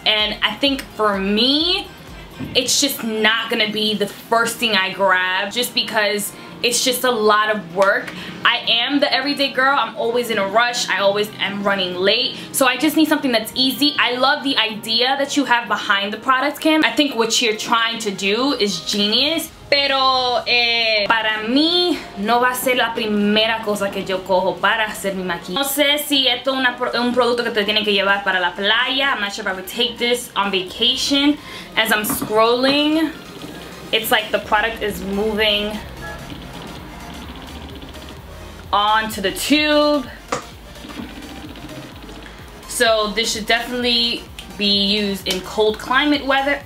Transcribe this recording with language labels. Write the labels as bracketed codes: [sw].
[en] And I think for me, it's just not gonna be the first thing I grab just because it's just a lot of work. I am the everyday girl. I'm always in a rush. I always am running late. So I just need something that's easy. I love the idea that you have behind the product, KKW. I think what you're trying to do is genius. [es] Pero para mí no va a ser la primera cosa que yo cojo para hacer mi maquillaje. No sé si esto es un producto que te tiene que llevar para la playa. [en] I'm not sure if I would take this on vacation. As I'm scrolling, it's like the product is moving onto the tube. So this should definitely be used in cold climate weather.